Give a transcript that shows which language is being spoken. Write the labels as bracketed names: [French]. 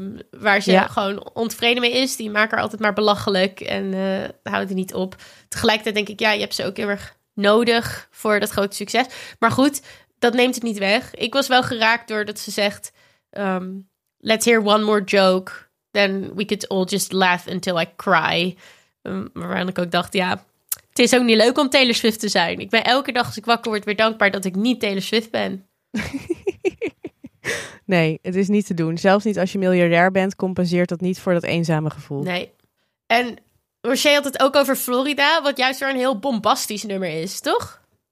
[Dutch] Waar ze gewoon ontevreden mee is. Die maken haar altijd maar belachelijk en houden niet op. Tegelijkertijd denk ik, ja, je hebt ze ook heel erg nodig voor dat grote succes. Maar goed, dat neemt het niet weg. Ik was wel geraakt door dat ze zegt, [English] let's hear one more joke. Then we could all just laugh until I cry. [Dutch] Waaraan ik ook dacht, ja... Het is ook niet leuk om Taylor Swift te zijn. Ik ben elke dag als ik wakker word weer dankbaar dat ik niet Taylor Swift ben. Nee, het is niet te doen. Zelfs niet als je miljardair bent, compenseert dat niet voor dat eenzame gevoel. Nee. En Rochaine had het ook over Florida, wat juist weer een heel bombastisch nummer is, toch?